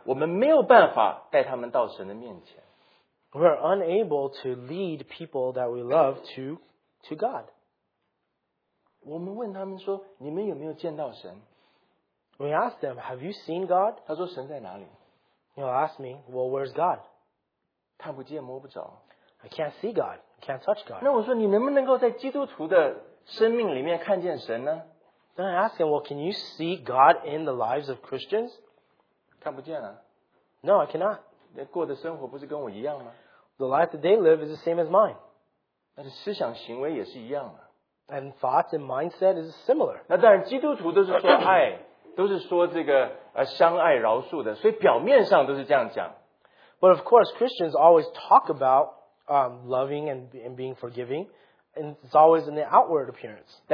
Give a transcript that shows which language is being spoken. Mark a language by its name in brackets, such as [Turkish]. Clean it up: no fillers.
[Chinese] 我们没有办法让这个世上我们所关心我们所爱的还不认识的人我们没有办法带他们到神的面前, [English] we are unable to lead people that we love to God. [Chinese] 我们问他们说, 你们有没有见到神? [English] We ask them, have you seen God? [Chinese] 他说神在哪里? [English] He'll ask me, well, where's God? [Chinese] 看不见摸不着。 [English] I can't see God. I can't touch God. [Chinese] 那我说你能不能够在基督徒的生命里面看见神呢? [English] Then I ask him, well, can you see God in the lives of Christians? [Chinese] 看不见了。 [English] No, I cannot. [Chinese] 过的生活不是跟我一样吗? [English] The life that they live is the same as mine. [Chinese] 但是思想行为也是一样的。 [English] And thoughts and mindset is similar. [Chinese] 那当然基督徒都是说爱, 都是说这个相爱饶恕的, 所以表面上都是这样讲。 [English] But of course, Christians always talk about loving and being forgiving, and it's always in the outward appearance.